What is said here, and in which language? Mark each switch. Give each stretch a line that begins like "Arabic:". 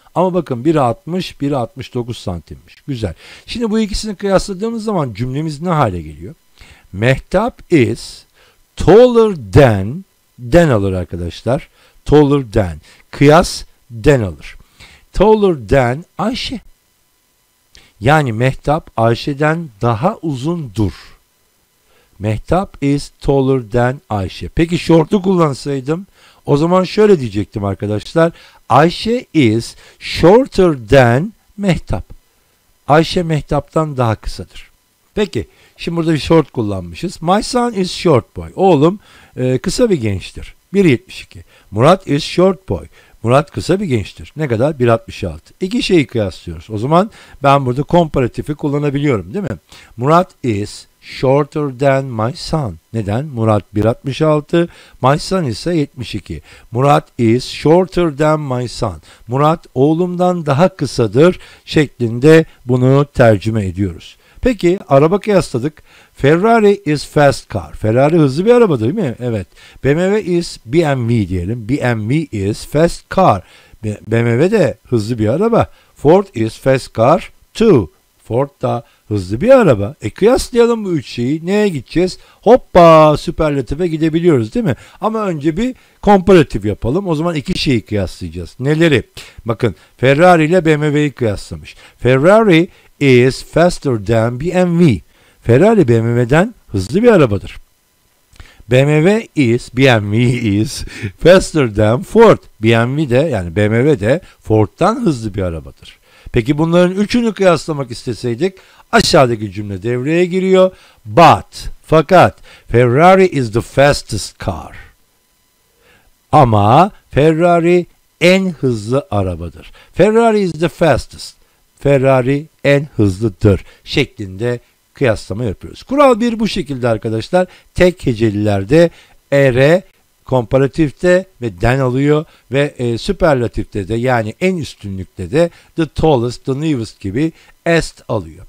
Turkish: Ama bakın 1.60, 1.69 santimmiş. Güzel. Şimdi bu ikisini kıyasladığımız zaman cümlemiz ne hale geliyor?
English: Mehtap is taller than, than
Turkish: alır arkadaşlar.
English: Taller than.
Turkish: Kıyas than alır.
English: Taller than Ayşe.
Turkish: Yani Mehtap Ayşe'den daha uzundur.
English: Mehtap is taller than Ayşe.
Turkish: Peki short'u kullansaydım? O zaman şöyle diyecektim arkadaşlar.
English: Ayşe is shorter than Mehtap.
Turkish: Ayşe Mehtap'tan daha kısadır. Peki, şimdi burada bir short kullanmışız.
English: My son is short boy.
Turkish: Oğlum kısa bir gençtir.
English: 1.72. Murat is short boy.
Turkish: Murat kısa bir gençtir. Ne kadar? 1.66. İki şeyi kıyaslıyoruz. O zaman ben burada komparatifi kullanabiliyorum, değil mi?
English: Murat is shorter than my son. Neden?
Turkish: Murat 1.66. My son ise 72.
English: Murat is shorter than my son.
Turkish: Murat oğlumdan daha kısadır şeklinde bunu tercüme ediyoruz. Peki araba kıyasladık.
English: Ferrari is fast car.
Turkish: Ferrari hızlı bir araba değil mi?
English: Evet. BMW is BMW diyelim. BMW is fast car.
Turkish: BMW de hızlı bir araba.
English: Ford is fast car too.
Turkish: Ford da hızlı bir araba. E kıyaslayalım bu üç şeyi. Neye gideceğiz? Hoppa süperlatife gidebiliyoruz değil mi? Ama önce bir komparatif yapalım. O zaman iki şeyi kıyaslayacağız. Neleri? Bakın Ferrari ile BMW'yi kıyaslamış.
English: Ferrari is faster than BMW.
Turkish: Ferrari BMW'den hızlı bir arabadır.
English: BMW is, BMW is faster than Ford.
Turkish: BMW de yani BMW de Ford'dan hızlı bir arabadır. Peki bunların üçünü kıyaslamak isteseydik aşağıdaki cümle devreye giriyor.
English: But, fakat Ferrari is the fastest car.
Turkish: Ama Ferrari en hızlı arabadır.
English: Ferrari is the fastest.
Turkish: Ferrari en hızlıdır şeklinde kıyaslama yapıyoruz. Kural bir bu şekilde arkadaşlar. Tek hecelilerde ere komparatifte ve den alıyor ve süperlatifte de yani en üstünlükte de the tallest, the newest gibi est alıyor.